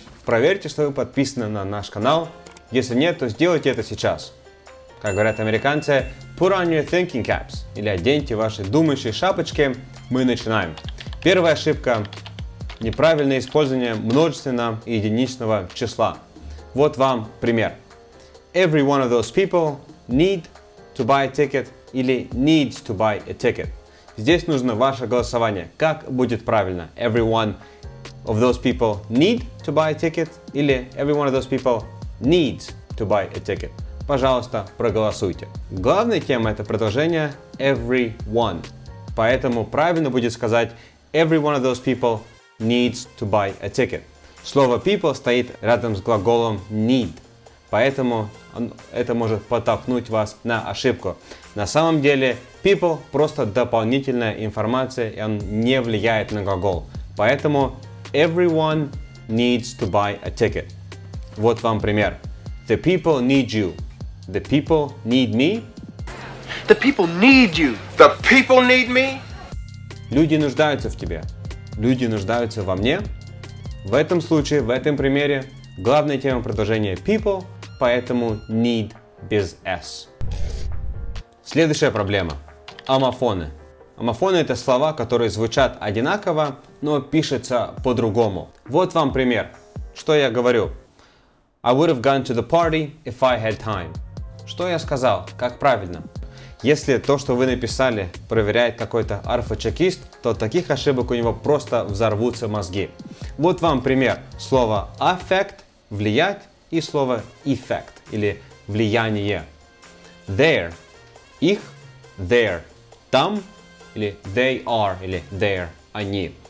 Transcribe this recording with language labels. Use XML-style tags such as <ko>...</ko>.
<ru>Проверьте, что вы подписаны на наш канал. Если нет, то сделайте это сейчас. Как говорят американцы,</ru> <en>put on your thinking caps,</en> <ru>или оденьте ваши думающие шапочки. Мы начинаем. Первая ошибка – неправильное использование множественного и единичного числа. Вот вам пример.</ru> <en>Every one of those people need to buy a ticket</en> <ru>или</ru> <en>needs to buy a ticket.</en> <ru>Здесь нужно ваше голосование. Как будет правильно?</ru> <en>Every one of those people need to buy a ticket</en> <ru>или</ru> <en>every one of those people needs to buy a ticket.</en> <ru>Пожалуйста, проголосуйте. Главная тема – это предложение</ru> <en>every one.</en> <ru>Поэтому правильно будет сказать</ru> <en>every one of those people needs to buy a ticket.</en> <ru>Слово people стоит рядом с глаголом need, поэтому это может подтолкнуть вас на ошибку. На самом деле people просто дополнительная информация, и он не влияет на глагол. Поэтому</ru> <en>everyone needs to buy a ticket.</en> <ru>Вот вам пример.</ru> <en>The people need you. The people need me. The people need you. The people need me.</en> <ru>Люди нуждаются в тебе. Люди нуждаются во мне. В этом случае, в этом примере, главная тема предложения people, поэтому need без s. Следующая проблема. Омофоны. Омофоны – это слова, которые звучат одинаково, но пишутся по-другому. Вот вам пример. Что я говорю?</ru> <en>I would have gone to the party if I had time.</en> <ru>Что я сказал? Как правильно? Если то, что вы написали, проверяет какой-то орфочекист, то таких ошибок у него просто взорвутся мозги. Вот вам пример. Слово affect – влиять, и слово effect – или влияние. There – их, there – там, или they are, или they're – они.</ru>